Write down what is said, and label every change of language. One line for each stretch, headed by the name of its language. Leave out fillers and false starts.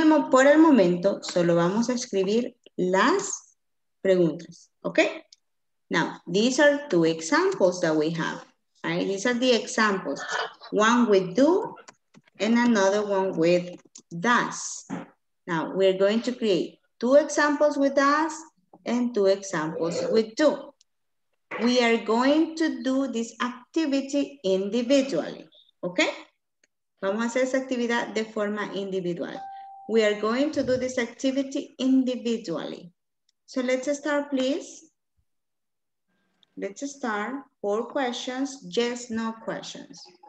Spanish: Por el momento, solo vamos a escribir las preguntas.
English: Okay? Now, these are two examples that we have. Right? These are the examples. One with do and another one with does. Now, we're going to create two examples with does and two examples with do. We are going to do this activity individually, okay?
Spanish: Vamos a hacer esa actividad de forma individual.
English: We are going to do this activity individually. So let's start, please. Let's start. Four questions, yes, no questions.